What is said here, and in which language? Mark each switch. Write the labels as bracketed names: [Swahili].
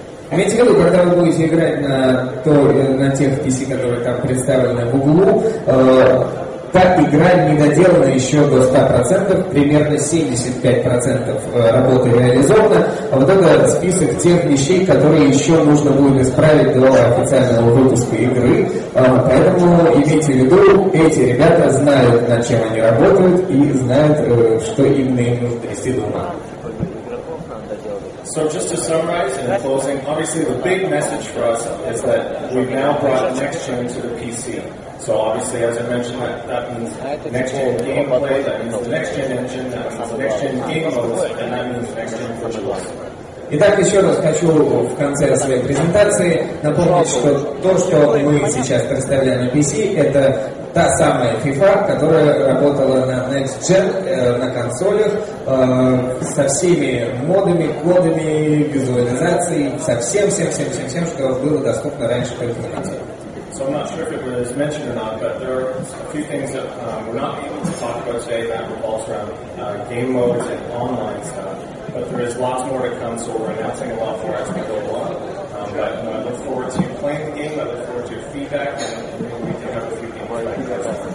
[Russian] Имейте в виду, когда вы будете играть на, то, на тех PC, которые там представлены в углу, та игра не доделана еще до 100%, примерно 75% работы реализована. А вот это список тех вещей, которые еще нужно будет исправить до официального выпуска игры. Поэтому имейте в виду, эти ребята знают, над чем они работают, и знают, что именно им нужно довести до ума. [English] So just to summarize in closing, obviously the big message for us is that we've now brought next-gen to the PC. So obviously, as I mentioned, that means next-gen gameplay, that means the next-gen engine, that means the next-gen game modes, and that means next-gen virtuals. [Russian] Итак, еще раз хочу в конце своей презентации напомнить, что то, что мы сейчас представляем на PC, это та самая FIFA, которая работала на Next Gen, на консолях, со всеми модами, кодами, визуализацией, со всем-всем-всем-всем-всем, что было доступно раньше в этом моменте. [English] So I'm not sure if it was mentioned or not, but there are a few things that we're not able to talk about today that revolves around game modes and online stuff. But there is lots more to come, so we're announcing a lot more as we go along. But you know, I look forward to playing the game, I look forward to your feedback, and we can have a few games like that.